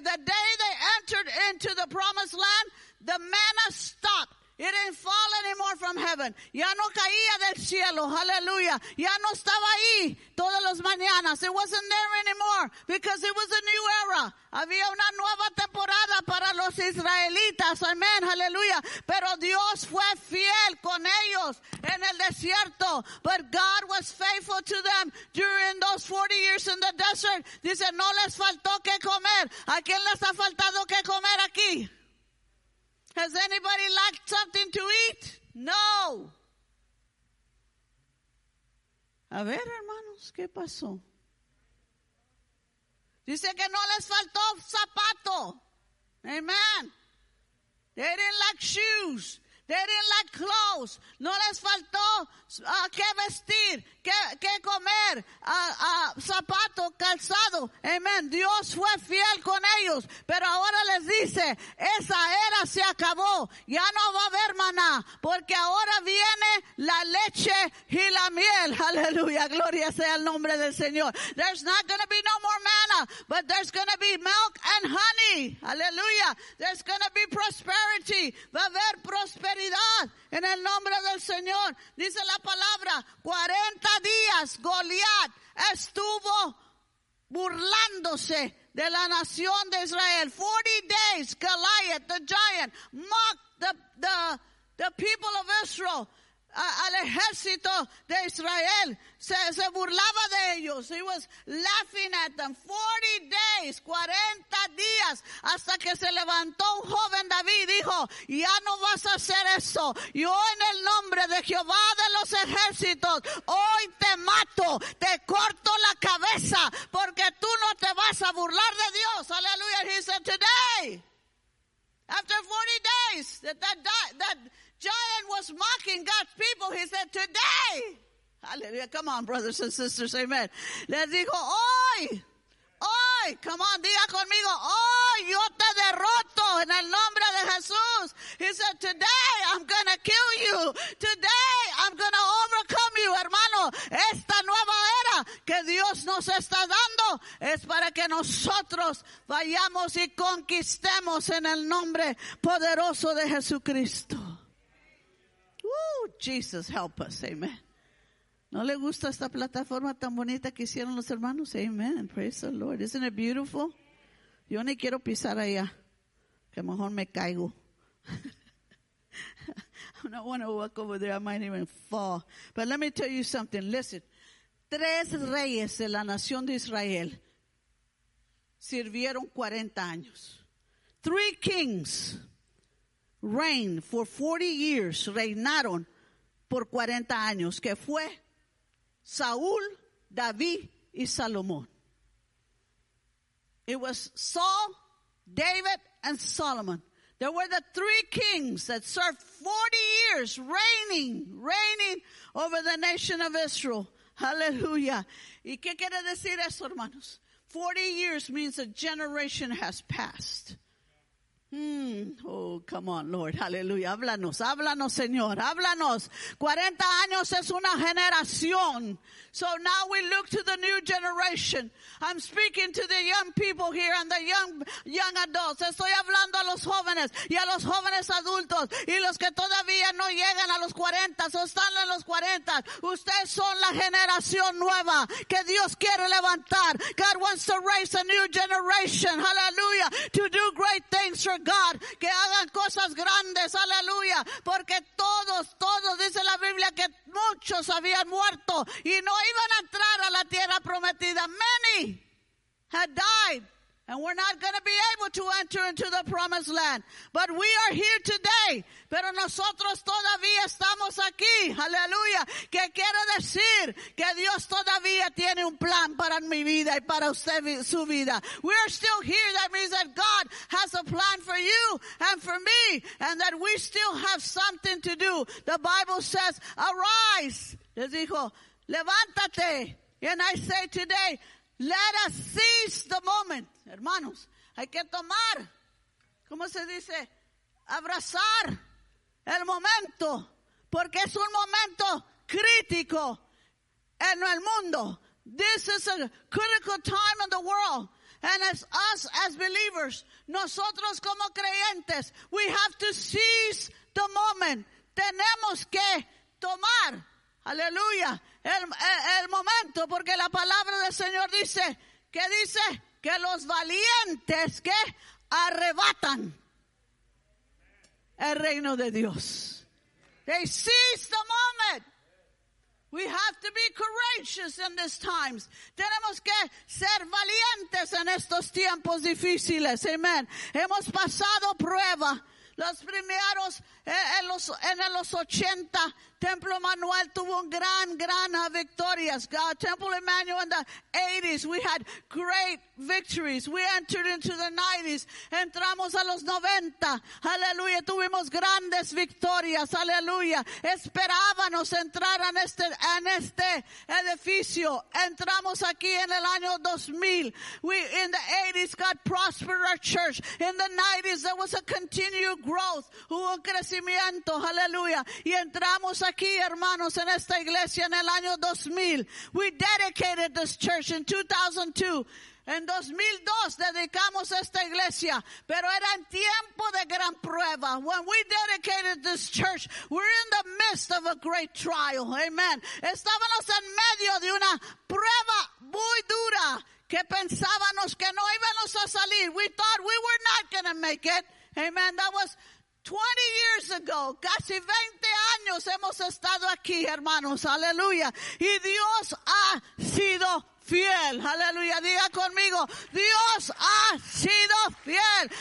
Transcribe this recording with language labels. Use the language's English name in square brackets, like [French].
[English] The day they entered into the promised land, the manna stopped. It didn't fall anymore from heaven. [Spanish] Ya no caía del cielo. [English] Hallelujah. [Spanish] Ya no estaba ahí todas las mañanas. [English] It wasn't there anymore because it was a new era. [Spanish] Había una nueva temporada para los israelitas. Amen. Hallelujah. Pero Dios fue fiel con ellos en el desierto. [English] But God was faithful to them during those 40 years in the desert. [Spanish] Dice, no les faltó que comer. ¿A quién les ha faltado que comer aquí? [English] Has anybody lacked something to eat? No. [Spanish] A ver, hermanos, ¿qué pasó? Dice que no les faltó zapato. Amen. [English] They didn't like shoes. They didn't like clothes. [Spanish] No les faltó qué vestir, qué comer, zapato, calzado. Amen. Dios fue fiel con ellos. Pero ahora les dice, esa era se acabó. Ya no va a haber maná. Porque ahora viene la leche y la miel. Aleluya. Gloria sea el nombre del Señor. [English] There's not going to be no more manna, but there's going to be milk and honey. Aleluya. There's going to be prosperity. [Spanish] Va a haber prosperidad. En el nombre del Señor, dice la palabra, 40 días Goliat estuvo burlándose de la nación de Israel. [English] 40 days Goliath the giant mocked the people of Israel, [Spanish] al ejército de Israel, se burlaba de ellos. [English] He was laughing at them. 40 days, [Spanish] 40 días, hasta que se levantó un joven David y dijo, ya no vas a hacer eso. Yo en el nombre de Jehová de los ejércitos, hoy te mato, te corto la cabeza, porque tú no te vas a burlar de Dios. Aleluya. [English] He said, today, after 40 days, that giant was mocking God's people. He said, today. Hallelujah. Come on, brothers and sisters. Amen. [Spanish] Les dijo, hoy. Hoy. [English] Come on, [Spanish] diga conmigo. Hoy yo te derroto en el nombre de Jesús. [English] He said, today I'm going to kill you. Today I'm going to overcome you. [Spanish] Hermano, esta nueva era que Dios nos está dando es para que nosotros vayamos y conquistemos en el nombre poderoso de Jesucristo. [English] Jesus, help us. [Spanish] Amen. ¿No le gusta esta plataforma tan bonita que hicieron los hermanos? Amen. [English] Praise the Lord. Isn't it beautiful? [Spanish] Yo ni quiero pisar allá, que mejor me caigo. [English] I don't want to walk over there. I might even fall. But let me tell you something. Listen. [Spanish] Tres reyes de la nación de Israel sirvieron 40 años. [English] Three kings reigned for 40 years, [Spanish] reinaron por 40 años, que fue Saúl, David y Salomón. [English] It was Saul, David, and Solomon. There were the three kings that served 40 years reigning over the nation of Israel. [Spanish] Hallelujah. ¿Y qué quiere decir eso, hermanos? [English] 40 years means a generation has passed. Oh, come on, Lord. Hallelujah. [Spanish] Háblanos, háblanos, Señor. Háblanos. 40 años es una generación. [English] So now we look to the new generation. I'm speaking to the young people here and the young adults. [Spanish] Estoy hablando a los jóvenes y a los jóvenes adultos y los que todavía no llegan a los 40 o están en los 40. Ustedes son la generación nueva que Dios quiere levantar. [English] God wants to raise a new generation. Hallelujah. To do great things for God, [Spanish] que hagan cosas grandes, aleluya, porque todos, dice la Biblia, que muchos habían muerto y no iban a entrar a la tierra prometida. [English] Many had died and we're not going to be able to enter into the promised land, but we are here today. [Spanish] Pero nosotros todavía estamos aquí, aleluya, que quiere decir que Dios todavía tiene un plan para mi vida y para usted su vida. [English] We are still here, that means that God has a plan for you and for me, and that we still have something to do. The Bible says, arise, [Spanish] les dijo, levántate. [English] And I say today, let us seize the moment. [Spanish] Hermanos, hay que tomar, ¿cómo se dice? Abrazar el momento, porque es un momento crítico en el mundo. [English] This is a critical time in the world. And as us as believers, [Spanish] nosotros como creyentes, [English] we have to seize the moment. [Spanish] Tenemos que tomar, aleluya, el momento, porque la palabra del Señor dice, ¿qué dice? Que los valientes que arrebatan el reino de Dios. [English] They seize the moment. We have to be courageous in these times. [Spanish] Tenemos que ser valientes en estos tiempos difíciles. Amen. Hemos pasado prueba. Los primeros en los 80 Templo Emmanuel tuvo un gran, gran victorias. [English] Temple Emmanuel in the 80s, we had great victories. We entered into the 90s. [Spanish] Entramos a los 90. [English] Hallelujah. [Spanish] Tuvimos grandes victorias. Hallelujah. Esperábamos entrar en este edificio. Entramos aquí en el año 2000. [English] We, in the 80s, God prospered our church. In the 90s, there was a continued growth. [Spanish] Hubo crecimiento. Hallelujah. Y entramos aquí, hermanos, en esta iglesia en el año 2000. [English] We dedicated this church in 2002. [Spanish] En 2002 dedicamos esta iglesia, pero era en tiempo de gran prueba. [English] When we dedicated this church, we're in the midst of a great trial. Amen. [Spanish] Estábamos en medio de una prueba muy dura que pensábamos que no íbamos a salir. [English] We thought we were not going to make it. Amen. That was 20 years ago, [Spanish] casi 20 años hemos estado aquí, hermanos. Aleluya. Y Dios ha sido fiel. Aleluya. Diga conmigo, Dios ha sido fiel.